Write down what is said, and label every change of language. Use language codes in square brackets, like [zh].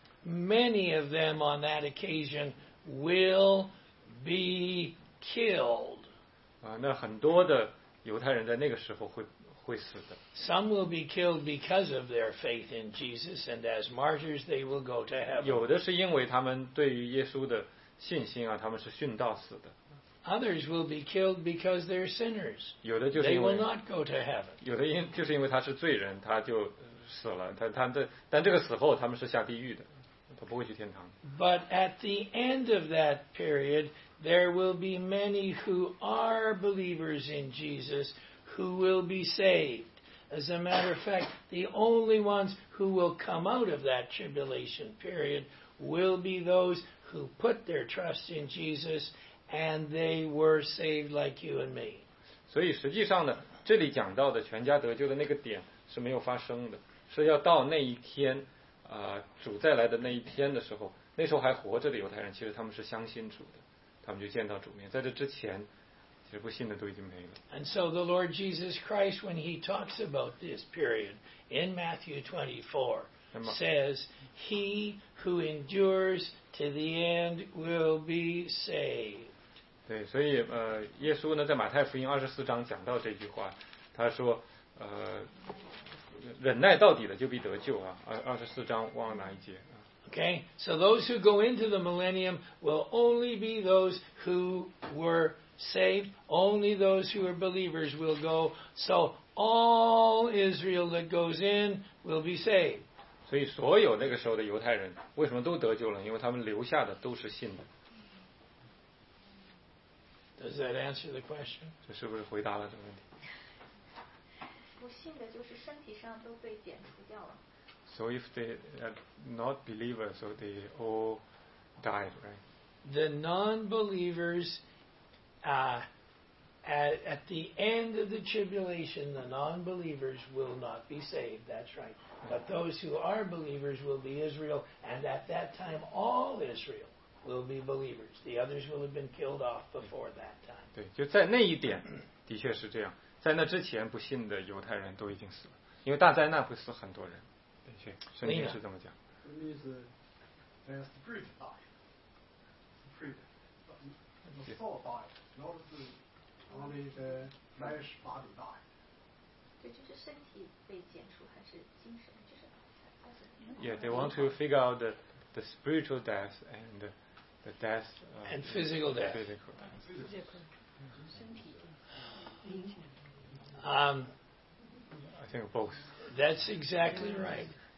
[en] Many of them on that occasion will be killed. [zh] 那很多的犹太人在那个时候会死的。 [en] Some will be killed because of their faith in Jesus, and as martyrs, they will go to heaven. [zh] 有的是因为他们对于耶稣的信心啊，他们是殉道死的。 [en] Others will be killed because they're sinners. [zh] 有的就是因为 [en] they will not go to heaven. [zh] 有的就是因为他是罪人，他就死了。但这个死后，他们是下地狱的，他不会去天堂。 [en] But at the end of that period, there will be many who are believers in Jesus. Who will be saved? As a matter of fact, the only ones who will come out of that tribulation period will be those who put their trust in Jesus and they were saved like you and me. [zh] 所以实际上呢，这里讲到的全家得救的那个点是没有发生的，是要到那一天，主再来的那一天的时候，那时候还活着的犹太人，其实他们是相信主的，他们就见到主面。在这之前。 [en] And so the Lord Jesus Christ, when he talks about this period in Matthew 24, says, He who endures to the end will be saved. [zh] 对，所以耶稣呢，在马太福音24章讲到这句话，他说，忍耐到底的就必得救啊。 24章忘了哪一节？ [en] Okay, so those who go into the millennium will only be those who were saved. Only those who are believers will go. So all Israel that goes in will be saved. [zh] 所以所有那个时候的犹太人为什么都得救了？因为他们留下的都是信的。 [en] Does that answer the question? [zh] 这是不是回答了这个问题？不信的就是身体上都被剪除掉了。 [en] So if they are not believers, so they all died, right? The non-believers, at the end of the tribulation, the non-believers will not be saved, that's right. But those who are believers will be Israel, and at that time, all Israel will be believers. The others will have been killed off before that time. [zh] 对，就在那一点，的确是这样。在那之前，不信的犹太人都已经死了，因为大灾难会死很多人。圣经是怎么讲？ [en] It means that the spirit died. The spirit. The soul died. Not the, only the flesh body died. [zh] 对，就是身体被剪除还是精神？就是 [en] Yeah, they want to figure out the spiritual death and the death and physical death. Physical. I think both. That's exactly right.